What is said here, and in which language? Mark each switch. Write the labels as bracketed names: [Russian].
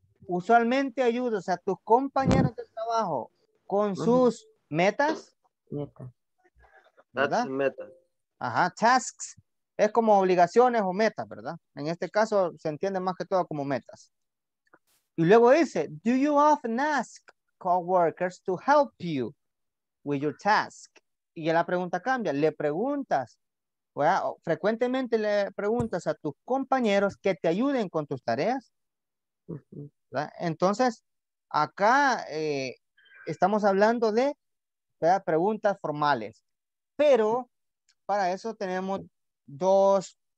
[Spanish] Usualmente ayuda, o sea, tus compañeros de trabajo con sus metas. ¿Verdad? Metas. Ajá, tasks. Es como obligaciones o metas, ¿verdad? En este caso se entiende más que todo como metas. Y luego dice, [English] do you often ask coworkers to help you with your task? [Spanish] Y ya la pregunta cambia. Le preguntas, ¿verdad? Frecuentemente le preguntas a tus compañeros que te ayuden con tus tareas. ¿Verdad? Entonces, acá estamos hablando de, ¿verdad?, preguntas formales. Pero para eso tenemos dos